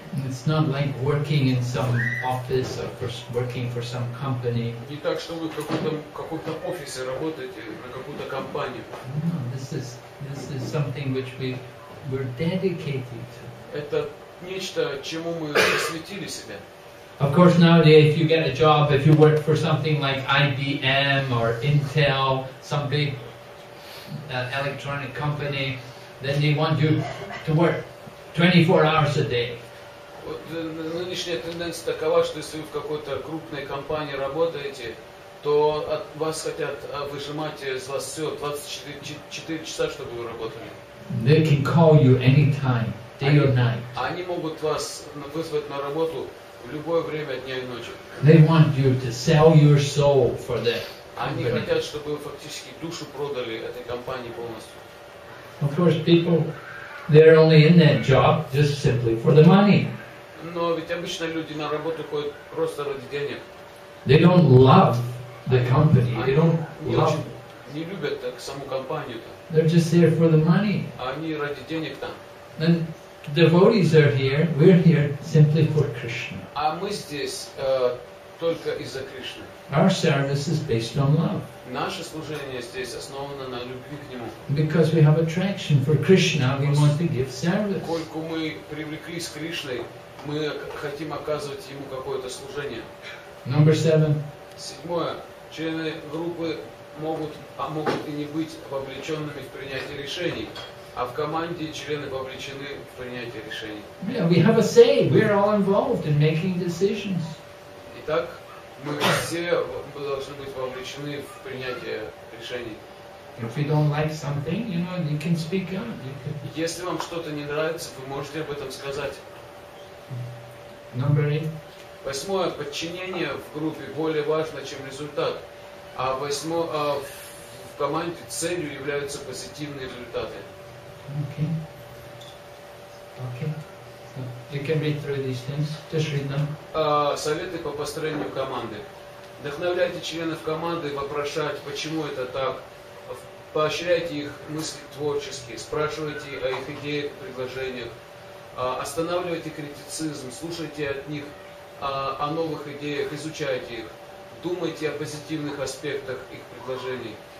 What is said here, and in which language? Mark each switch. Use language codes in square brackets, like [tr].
[en] It's not like working in some office or working for some company. [ru] Не так, что вы в каком-то офисе работаете, на какую-то компанию. [en] No, this is something which we're dedicated to. [ru] Это нечто, чему мы посвятили себя. [en] Of course, nowadays, if you get a job, if you work for something like IBM or Intel, some big electronic company, then they want you to work 24 hours a day. [ru] Вот нынешняя тенденция такова, что если вы в какой-то крупной компании работаете, то от вас хотят выжимать из вас все 24 часа, чтобы вы работали. [en] They can call you anytime, day or night. [ru] Они могут вас вызвать на работу в любое время дня и ночи. [en] They want you to sell your soul for that. [ru] Они хотят, чтобы фактически душу продали этой компании полностью. [en] Of course, people, they're only in that job just simply for the money. [ru] Но ведь обычно люди на работу ходят просто ради денег. [en] They don't love the company. They don't love. [ru] Не любят так саму компанию-то. [en] They're just there for the money. [ru] Они ради денег там. [en] And devotees are here. We're here simply for Krishna. [ru] А мы здесь только из-за Кришны. [en] Our service is based on love. [ru] Наше служение здесь основано на любви к нему. [en] Because we have attraction for Krishna, we want to give service. [ru] Поскольку мы привлеклись к Кришне, мы хотим оказывать ему какое-то служение. [en] Number seven. [ru] Седьмое. Члены группы могут, а могут и не быть вовлеченными в принятие решений, а в команде члены вовлечены в принятие решений. [en] Yeah, we have a say. We are all involved in making decisions. [ru] Итак, мы все должны быть вовлечены в принятие решений. [en] If you don't like something, you know, you can speak up. [ru] Если вам что-то не нравится, вы можете об этом сказать. [en] Number eight. [ru] Восьмое. Подчинение в группе более важно, чем результат. А восьмое, а в команде целью являются позитивные результаты. [en] Okay. Okay. So you can read through these things. Just read them. [ru] Советы по построению команды. Вдохновляйте членов команды вопрошать, почему это так. Поощряйте их мысли творчески. Спрашивайте о их идеях, предложениях. Останавливайте критицизм, слушайте от них о новых идеях, изучайте их, думайте о позитивных аспектах их предложений.